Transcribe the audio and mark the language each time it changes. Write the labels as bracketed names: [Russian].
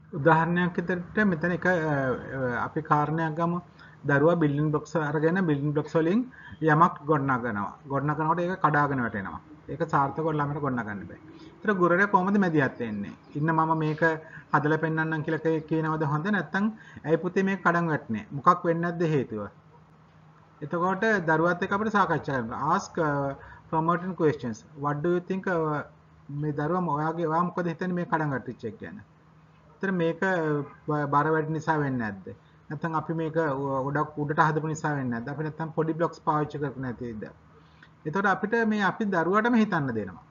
[Sinhala] උදාහරණයක් විදිහට මෙතන එක අපි කාරණයක් ගමු දරුවා බිල්ඩින් බ්ලොක්ස් අරගෙන බිල්ඩින් බ්ලොක්ස් වලින් යමක් ගොඩනගනවා. ගොඩනගනකොට ඒක කඩාගෙන වැටෙනවා. ඒක සාර්ථකව ළමයට ගොඩනගන්න බෑ. ඒතර ගුරුවරයා කොහොමද මැදිහත් වෙන්නේ? ඉන්න මම මේක හදලා පෙන්නන්නම් කියලා කියනවද හොඳ නැත්නම් ඇයි පුතේ මේක කඩන් වැටන්නේ? මොකක් වෙන්නේ නැද්ද හේතුව? එතකොට දරුවාත් එක්ක අපිට සාකච්ඡා කරනවා. [English] Ask promoting questions. What do you think [Sinhala] මේ දරුවා ඔයාගේ ඔයා මොකද හිතන්නේ මේ කඩන් වැටිච්ච එක ගැන? එතන මේක බර වැඩි නිසා වෙන්නේ නැද්ද? නැත්නම් අපි මේක ගොඩක් උඩට හදපු නිසා වෙන්නේ නැද්ද? අපි නැත්නම් පොඩි බ්ලොක්ස් පාවිච්චි කරපු නැතිද? එතකොට අපිට මේ අපි දරුවටම හිතන්න දෙනවා.